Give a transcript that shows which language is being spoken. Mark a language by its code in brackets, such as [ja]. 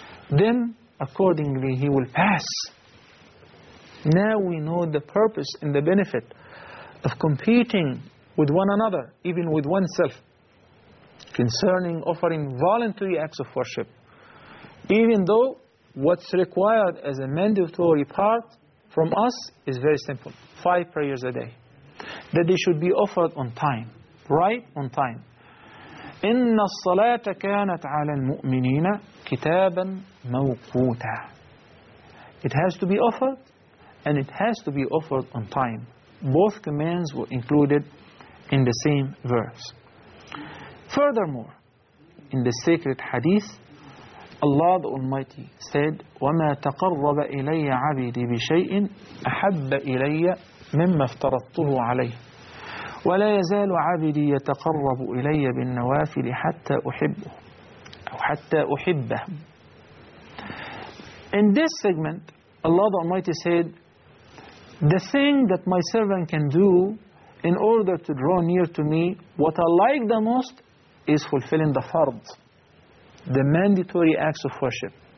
[en] Then accordingly he will pass. Now we know the purpose and the benefit of competing with one another, even with oneself, concerning offering voluntary acts of worship, even though what's required as a mandatory part from us is very simple: 5 prayers a day, that they should be offered on time, right on time. [ar] إِنَّ الصَّلَاةَ كَانَتْ عَلَى الْمُؤْمِنِينَ كِتَابًا مَوْقُوتًا. [en] It has to be offered, and it has to be offered on time. Both commands were included in the same verse. Furthermore, in the sacred hadith, Allah the Almighty said, [ar] وَمَا تَقَرَّبَ إِلَيَّ عَبِدِ بِشَيْءٍ أَحَبَّ إِلَيَّ مِمَّا افْتَرَضْتُهُ عَلَيْهِ ولا يزال عبدي يتقرب إلي بالنوافل حتى أحبه أو حتى أحبه. [en] In this segment, Allah the Almighty said, the thing that my servant can do in order to draw near to me, what I like the most is fulfilling the fard, the mandatory acts of worship.